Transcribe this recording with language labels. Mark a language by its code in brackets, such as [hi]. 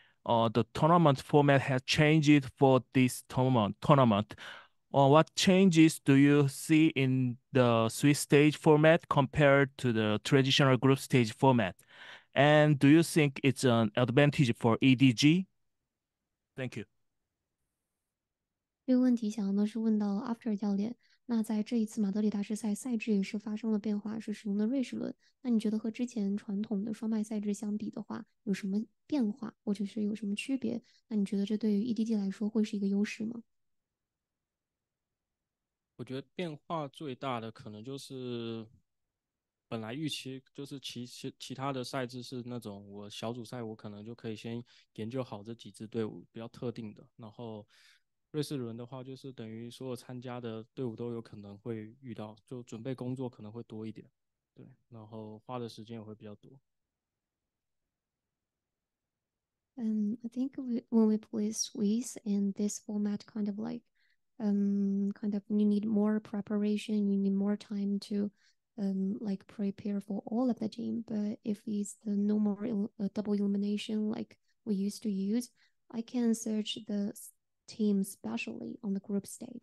[en] The tournament format has changed for this tournament. What changes do you see in the Swiss stage format compared to the traditional group stage format? And do you think it's an advantage for EDG? Thank you. [zh] 这个问题想要的是问到 After 教练，那在这一次马德里大师赛赛制也是发生了变化，是使用的瑞士轮。那你觉得和之前传统的双麦赛制相比的话，有什么变化，或者是有什么区别？那你觉得这对于 EDG 来说会是一个优势吗？我觉得变化最大的可能就是，本来预期就是其他的赛制是那种我小组赛我可能就可以先研究好这几支队伍比较特定的，然后瑞士轮的话就是等于所有参加的队伍都有可能会遇到，就准备工作可能会多一点，对，然后花的时间也会比较多。 [en] I think when we play Swiss in this format, kind of you need more preparation, you need more time to like prepare for all of the team. But if it's the normal double elimination like we used to use, I can search the team specially on the group stage.